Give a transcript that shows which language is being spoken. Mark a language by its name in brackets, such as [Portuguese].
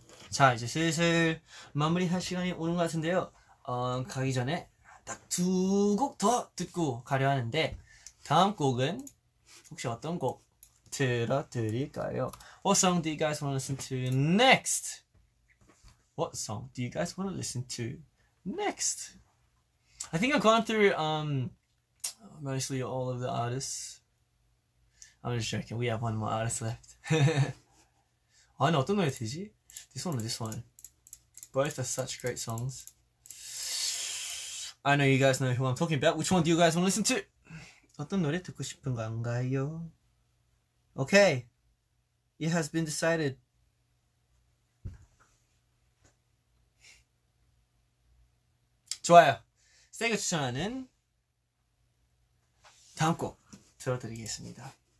[Korean] 자, 이제 슬슬 마무리할 시간이 오는 것 같은데요. 어, 가기 전에 딱 두 곡 더 듣고 가려 하는데 다음 곡은 혹시 어떤 곡 들어드릴까요? [English] What song do you guys want to listen to next? What song do you guys want to listen to? Next, I think I've gone through mostly all of the artists. I'm just joking. We have one more artist left. [Korean] 아, 나 어떤 노래 되지? [English] This one or this one? Both are such great songs. I know you guys know who I'm talking about. Which one do you guys want to listen to? [Korean] 어떤 노래 듣고 싶은 건가요? [English] Okay. It has been decided. Joya. [Korean] 세이가 추천하는 다음 곡 들어드리겠습니다.